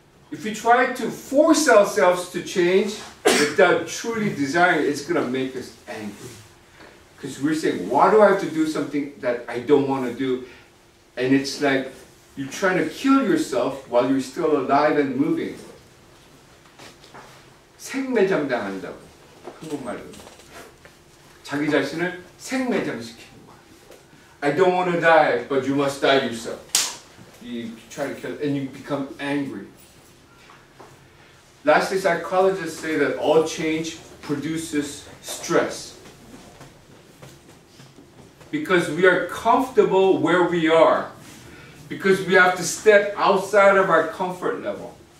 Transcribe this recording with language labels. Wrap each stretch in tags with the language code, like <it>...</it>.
<en>If you try to force ourselves to change without truly desiring it, it's going to make us angry. Because we're saying, why do I have to do something that I don't want to do? And it's like you're trying to kill yourself while you're still alive and moving.</en> <ko>생매장당한다고, 한국말로. 자기 자신을 생매장시키는 거야.</ko> <en>I don't want to die, but you must die yourself. You try to kill, and you become angry. Lastly, psychologists say that all change produces stress. Because we are comfortable where we are. Because we have to step outside of our comfort level.</en>